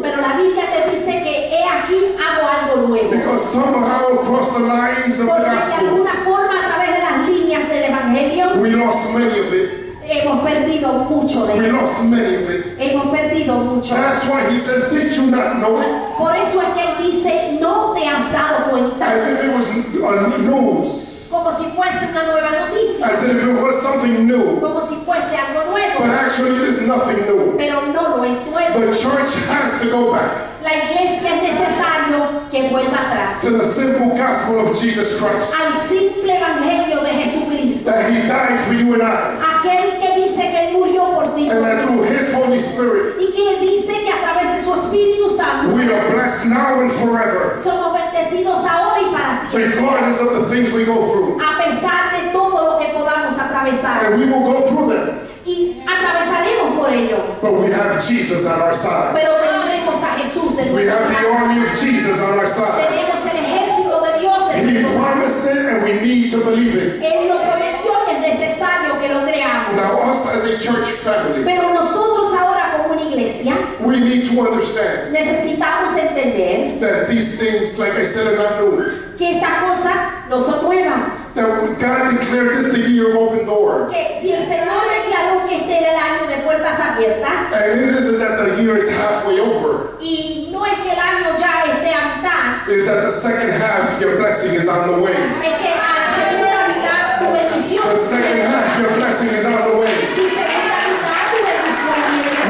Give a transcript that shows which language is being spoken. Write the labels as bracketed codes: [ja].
[es] Pero la Biblia te dice que he aquí hago algo nuevo. [en] Because somehow across the lines of [es] porque [en] the gospel, [es] de alguna forma a través de las líneas del evangelio, [en] we lost many of it. [es] Hemos perdido mucho de [en] we lost many of it. [es] Hemos perdido mucho. [en] That's why he says, did you not know it? [es] Por eso es que él dice, no te has dado cuenta. [en] As if it was a news. [es] Como si fuese una nueva noticia. [en] As if it was something new. [es] Como si fuese algo nuevo. [en] But actually it is nothing new. [es] Pero no lo es nuevo. [en] The church has to go back. [es] La iglesia es necesario que vuelva atrás. [en] To the simple gospel of Jesus Christ. [es] Al simple evangelio de Jesucristo. [en] That he died for you and I. [es] Aquel que dice que él murió por ti. [en] And that through his Holy Spirit. [es] Y que él dice que a través de su Espíritu Santo. [en] We are blessed now and forever. [es] Somos bendecidos ahora y para siempre. [en] Regardless of the things we go through. [es] A pesar de todo lo que podamos atravesar. [en] And we will go through them. [es] Y atravesaremos por ello. [en] But we have Jesus on our side. [es] Pero tendremos a Jesús de nuestro lado. [en] We have the army of Jesus on our side. [es] Tenemos el ejército de Dios de nuestro lado. [en] He promised it and we need to believe it. [es] Él lo prometió y es necesario que lo creamos. [en] Now us as a church family. [es] Pero nosotros ahora como una iglesia. [en] We need to understand. [es] Necesitamos entender. [en] That these things, like I said, are not new. [es] Que estas cosas no son nuevas. [en] That when God declared this the year of open door. [es] Que si el Señor declaró que este era el año de puertas abiertas. [en] And it isn't that the year is halfway over. [es] Y no es que el año ya esté a mitad. [en] It's that the second half, your blessing is on the way. [es] Es que a la segunda mitad tu bendición. [en] The second half, your blessing is on the way. [es] Y segunda mitad tu bendición viene.